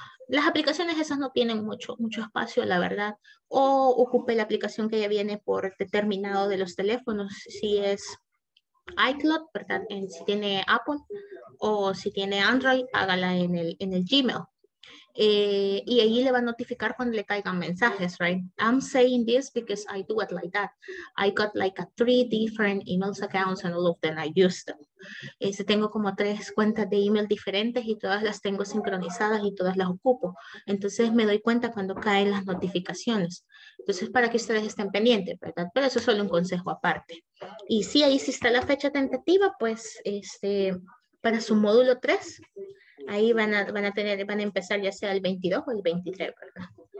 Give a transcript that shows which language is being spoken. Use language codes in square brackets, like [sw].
[es] Las aplicaciones esas no tienen mucho espacio, la verdad, o ocupe la aplicación que ya viene por determinado de los teléfonos, si es iCloud, ¿verdad? Si tiene Apple. O si tiene Android, hágala en el Gmail. Y ahí le va a notificar cuando le caigan mensajes, right? [en] I'm saying this because I do it like that. I got like a 3 different email accounts and all of them I use them. [es] Tengo como 3 cuentas de email diferentes y todas las tengo sincronizadas y todas las ocupo. Entonces me doy cuenta cuando caen las notificaciones. Entonces para que ustedes estén pendientes, ¿verdad? Pero eso es solo un consejo aparte. Y sí, ahí sí está la fecha tentativa, pues para su módulo 3, ahí van a empezar ya sea el 22 o el 23, ¿verdad?